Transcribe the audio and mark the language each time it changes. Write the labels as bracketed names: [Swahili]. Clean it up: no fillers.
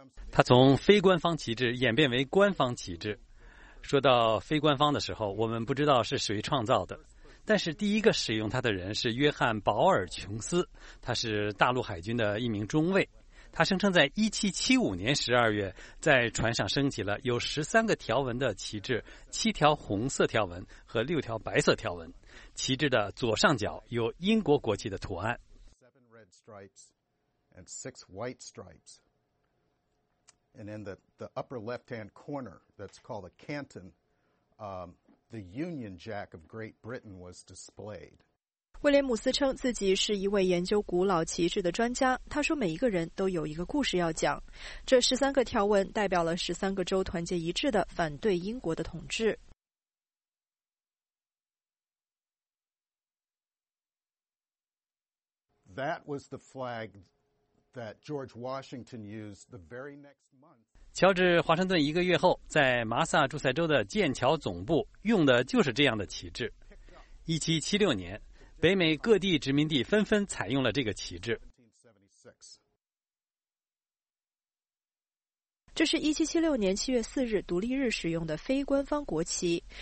[Chinese] 它从非官方旗帜演变为官方旗帜。说到非官方的时候，我们不知道是谁创造的，但是第一个使用它的人是约翰·保尔·琼斯，他是大陆海军的一名中尉。他声称在1775年12月在船上升起了有13个条纹的旗帜，7条红色条纹和6条白色条纹。旗帜的左上角有英国国旗的图案。 [English] 7 red stripes and 6 white stripes. And in the upper left-hand corner, that's called a canton, the Union Jack of Great Britain was displayed. [Chinese] 威廉姆斯称自己是一位研究古老旗帜的专家，他说每一个人都有一个故事要讲。这13个条纹代表了13个州团结一致的反对英国的统治。 [English] That was the flag that George Washington used the very next month. [Chinese] 乔治·华盛顿一个月后在马萨诸塞州的剑桥总部用的就是这样的旗帜。 1776年，北美各地殖民地纷纷采用了这个旗帜。这是1776年7月4日独立日使用的非官方国旗。